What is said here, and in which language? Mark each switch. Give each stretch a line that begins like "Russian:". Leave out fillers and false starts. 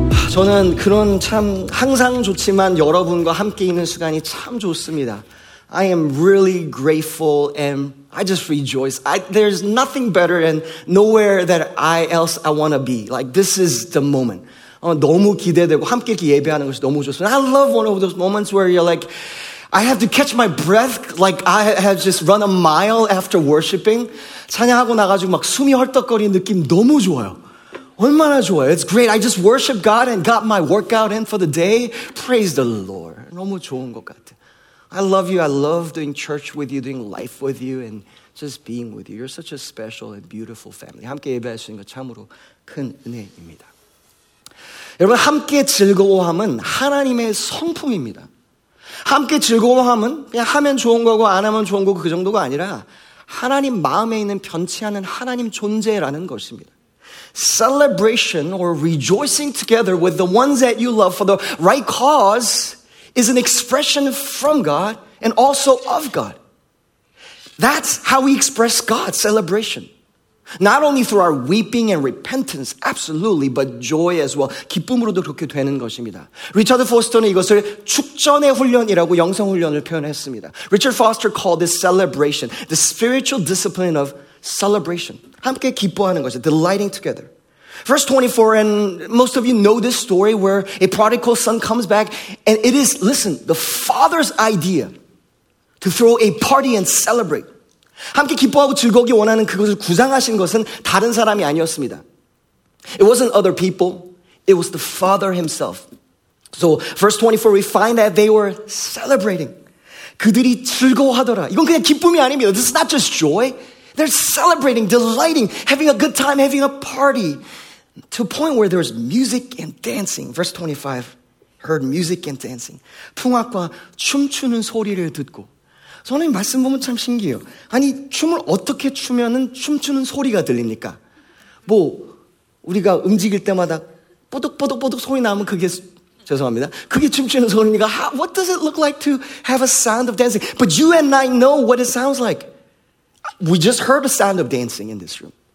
Korean: 저는 그런 참 항상 좋지만 여러분과 함께 있는 시간이 참 좋습니다.
English: I am really grateful and I just rejoice. There's nothing better and nowhere that I else I want to be. Like this is the moment.
Korean: 너무 기대되고 함께 이렇게 예배하는 것이 너무 좋습니다.
English: I love one of those moments where you're like, I have to catch my breath like I have just run a mile after worshiping.
Korean: 찬양하고 나가지고 막 숨이 헐떡거리는 느낌 너무 좋아요. 얼마나 좋아요.
English: It's great. I just worship God and got my workout in for the day. Praise the Lord.
Korean: 너무 좋은 것 같아.
English: I love you. I love doing church with you, doing life with you, and just being with you. You're such a special and beautiful family.
Korean: 함께 예배할 수 있는 것 참으로 큰 은혜입니다. 여러분, 함께 즐거워함은 하나님의 성품입니다. 함께 즐거워함은 그냥 하면 좋은 거고 안 하면 좋은 거고 그 정도가 아니라 하나님 마음에 있는 변치 않은 하나님 존재라는 것입니다.
English: Celebration or rejoicing together with the ones that you love for the right cause is an expression from God and also of God. That's how we express God, celebration. Not only through our weeping and repentance, absolutely, but joy as well.
Korean: 기쁨으로도 그렇게 되는 것입니다. 리처드 포스터는 이것을 축전의 훈련이라고 영성 훈련을 표현했습니다.
English: Richard Foster called this celebration, the spiritual discipline of celebration.
Korean: 함께 기뻐하는 것이죠.
English: Delighting together. Verse 24, and most of you know this story where a prodigal son comes back and it is, listen, the father's idea to throw a party and celebrate.
Korean: 함께 기뻐하고 즐거우기 원하는 그것을 구상하신 것은 다른 사람이 아니었습니다.
English: It wasn't other people. It was the father himself. So verse 24, we find that they were celebrating.
Korean: 그들이 즐거워하더라. 이건 그냥 기쁨이 아닙니다.
English: This is not just joy. They're celebrating, delighting, having a good time, having a party to a point where there's music and dancing. Verse 25, heard music and dancing.
Korean: 풍악과 춤추는 소리를 듣고. 저는 말씀 보면 참 신기해요. 아니, 춤을 어떻게 추면은 춤추는 소리가 들립니까? 뭐, 우리가 움직일 때마다 뽀득뽀득뽀득 소리 나면 그게, 죄송합니다. 그게 춤추는 소리니까,
English: how, what does it look like to have a sound of dancing? But you and I know what it sounds like. We just heard the sound of dancing in this room.